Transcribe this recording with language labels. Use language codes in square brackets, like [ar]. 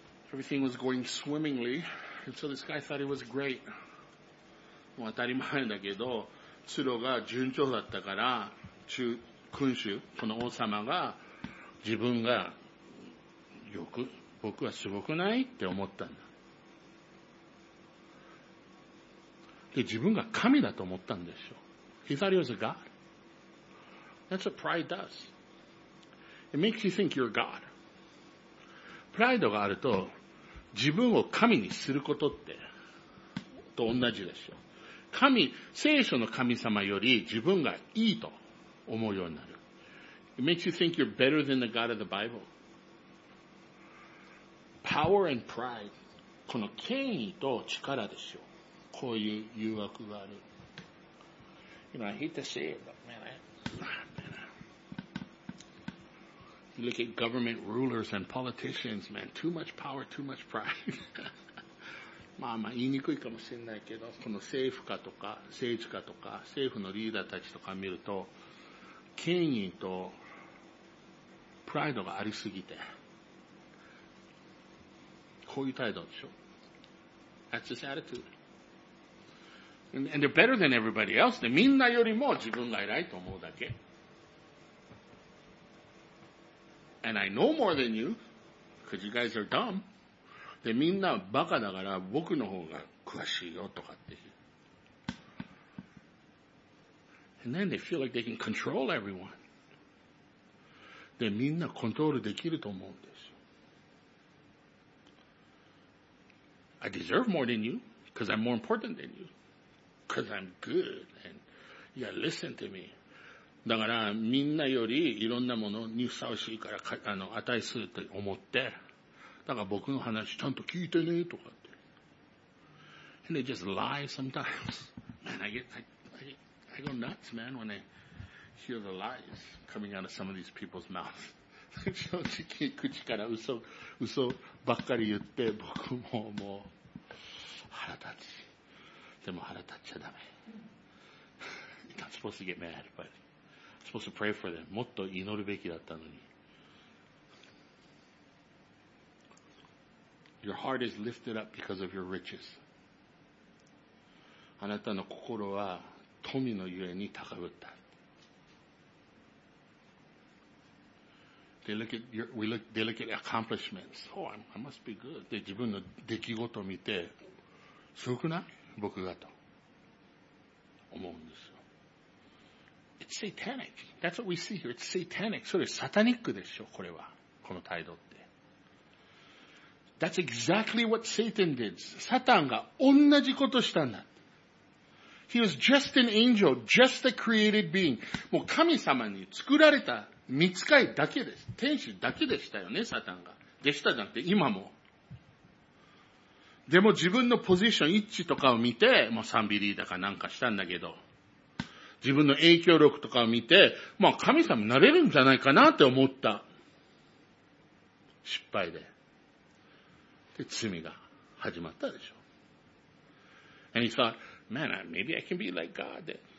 [en] Everything was going swimmingly, and so this guy thought he was great. [ja] もう当たり前だけど、ツロが順調だったから、君主、この王様が、自分が、僕はすごくないって思ったんだ。で、自分が神だと思ったんでしょ。 [en] He thought he was a God. That's what pride does. It makes you think you're God. [ja] プライドがあると、自分を神にすることって、と同じでしょ。神、聖書の神様より自分がいいと思うようになる。 [en] It makes you think you're better than the God of the Bible. Power and pride. [ja] この権威と力でしょ。こういう誘惑がある。 [en] You know, I hate to say it, but man, You look at government rulers and politicians, man. Too much power, too much pride. [ja] まあまあ言いにくいかもしれないけど、この政府家とか政治家とか政府のリーダーたちとか見ると、権威とプライドがありすぎて、こういう態度でしょ。 [en] That's his attitude. And they're better than everybody else. [ja] で、みんなよりも自分が偉いと思うだけ。 [en] And I know more than you, because you guys are dumb. [ja] で、みんなバカだから僕の方が詳しいよとかって。 [en] And then they feel like they can control everyone. [ja] で、みんなコントロールできると思うんですよ。 [en] I deserve more than you, because I'm more important than you. Because I'm good, and yeah, listen to me. [ja] だからみんなよりいろんなものにふさわしいから値すると思って、だから僕の話ちゃんと聞いてねとかって。 [en] And they just lie sometimes. Man, I go nuts, man, when I hear the lies coming out of some of these people's mouths. [ja] 正直口から嘘ばっかり言って僕ももう腹立ち。でも腹立っちゃダメ。 [en] You're not supposed to get mad, but I'm supposed to pray for them. [ja] もっと祈るべきだったのに。 [en] Your heart is lifted up because of your riches. [ja] あなたの心は富のゆえに高ぶった。 [en] They look at accomplishments. Oh, I must be good. [ja] で、自分の出来事を見て、すごくない？僕がと思うんですよ。 [en] It's satanic. That's what we see here. It's satanic. [ja] それサタニックでしょ、これは。この態度って。 [en] That's exactly what Satan did. [ja] サタンが同じことしたんだ。 [en] He was just an angel, just a created being. [ja] もう神様に作られた御使いだけです。天使だけでしたよね、サタンが。でしたじゃなくて、今も。でも自分のポジション位置とかを見て、まあ賛美リーダーかなんかしたんだけど、自分の影響力とかを見て、まあ神様になれるんじゃないかなって思った。失敗で。で、罪が始まったでしょ。 [en] And he thought, man, maybe I can be like God.